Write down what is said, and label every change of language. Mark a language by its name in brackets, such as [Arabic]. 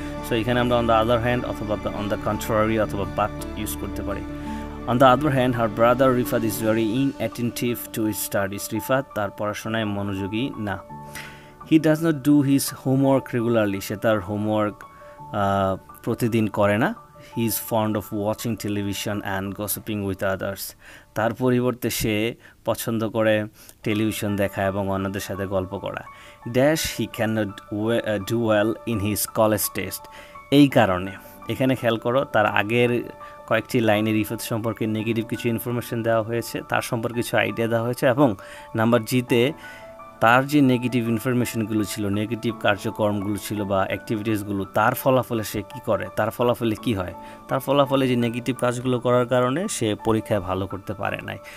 [Bangla] So এখানে আমরা [English] on the other hand [Bangla] অথবা [English] on the contrary [Bangla] অথবা বাট ইউজ করতে পারি। [English] on the other hand, her brother Rifat is very inattentive to his studies, [Bangla] Rifat তার পড়াশোনায় মনোযোগী না। [English] he does not do his homework regularly, [Bangla] সে তার হোমওয়ার্ক প্রতিদিন করে না। [English] He is fond of watching television and gossiping with others. [Bangla] তার পরিবর্তে সে পছন্দ করে টেলিভিশন দেখা এবং অন্যদের সাথে গল্প করা। [English] dash he can not do well in his college test, [Bangla] এই কারণে। এখানে খেয়াল করো, তার আগের কয়েকটি লাইনে রিফাত সম্পর্কে নেগেটিভ কিছু ইনফরমেশান দেওয়া হয়েছে, তার সম্পর্কে কিছু আইডিয়া দেওয়া হয়েছে, এবং নাম্বার জিতে তার যে নেগেটিভ ইনফরমেশানগুলো ছিল, নেগেটিভ কার্যক্রমগুলো ছিল বা অ্যাক্টিভিটিসগুলো, তার ফলাফলে সে কী করে, তার ফলাফলে কী হয়, তার ফলাফলে যে নেগেটিভ কাজগুলো করার কারণে সে পরীক্ষায় ভালো করতে পারে নাই।